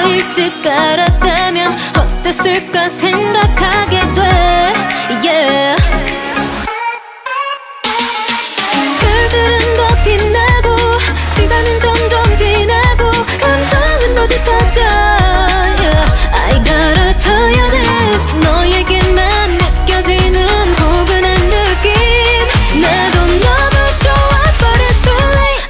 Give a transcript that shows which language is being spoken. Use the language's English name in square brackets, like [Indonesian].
[Korean] 일찍 알았다면 어땠을까 생각하게 돼. [English] Yeah. [Korean] 별들은 더 빛나고 시간은 점점 지나고 감성은 더 짙어져. [English] Yeah. I gotta tell you this. [Korean] 너에게만 느껴지는 고근한 느낌 나도 너무 좋아 [English] but it's too late.